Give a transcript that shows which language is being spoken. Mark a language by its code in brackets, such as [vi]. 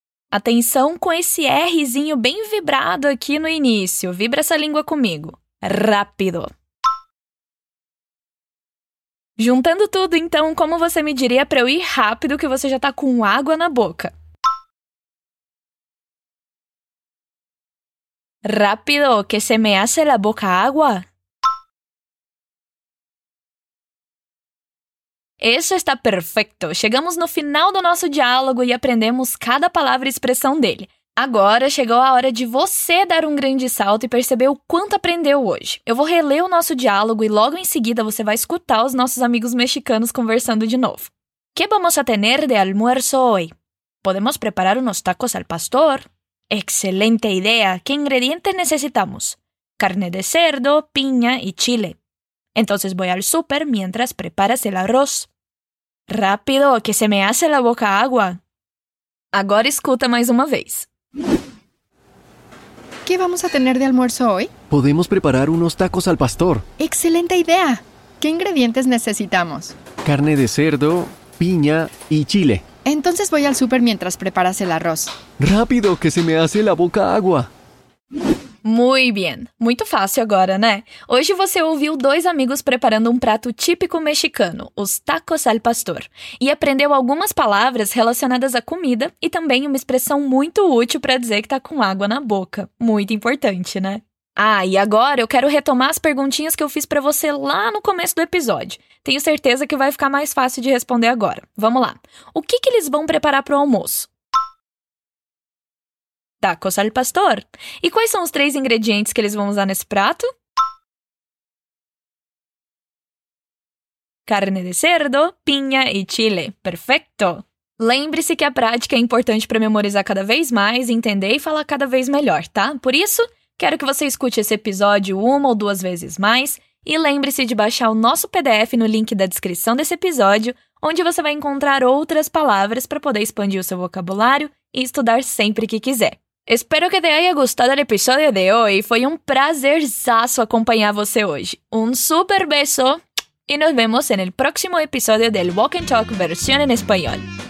[pt] Atenção com esse Rzinho bem vibrado aqui no início. Vibra essa língua comigo. Rápido. Juntando tudo, então, como você me diria para eu ir rápido que você já tá com água na boca? [es] Rápido, que se me hace la boca agua. [pt] Isso está perfeito. Chegamos no final do nosso diálogo e aprendemos cada palavra e expressão dele. Agora chegou a hora de você dar um grande salto e perceber o quanto aprendeu hoje. Eu vou reler o nosso diálogo e logo em seguida você vai escutar os nossos amigos mexicanos conversando de novo. [es] ¿Qué vamos a tener de almuerzo hoy? ¿Podemos preparar unos tacos al pastor? ¡Excelente idea! ¿Qué ingredientes necesitamos? Carne de cerdo, piña y chile. Entonces voy al súper mientras preparas el arroz. ¡Rápido, que se me hace la boca agua! Agora escuta mais uma vez. ¿Qué vamos a tener de almuerzo hoy? Podemos preparar unos tacos al pastor. ¡Excelente idea! ¿Qué ingredientes necesitamos? Carne de cerdo, piña y chile. Entonces voy al súper mientras preparas el arroz. ¡Rápido, que se me hace la boca agua! Muy bien. [pt] Muito fácil agora, né? Hoje você ouviu dois amigos preparando um prato típico mexicano, os tacos al pastor. E aprendeu algumas palavras relacionadas à comida e também uma expressão muito útil para dizer que tá com água na boca. Muito importante, né? Ah, e agora eu quero retomar as perguntinhas que eu fiz para você lá no começo do episódio. Tenho certeza que vai ficar mais fácil de responder agora. Vamos lá. O que eles vão preparar para o almoço? Tacos al pastor. E quais são os três ingredientes que eles vão usar nesse prato? [es] Carne de cerdo, piña e chile. Perfecto! [pt] Lembre-se que a prática é importante para memorizar cada vez mais, entender e falar cada vez melhor, tá? Por isso, quero que você escute esse episódio uma ou duas vezes mais e lembre-se de baixar o nosso PDF no link da descrição desse episódio, onde você vai encontrar outras palavras para poder expandir o seu vocabulário e estudar sempre que quiser. [es] Espero que te haya gustado el episodio de hoy. Fue un placerzazo acompañar a [pt] você [es] hoy. Un super beso y nos vemos en el próximo episodio del Walk and Talk versión en español.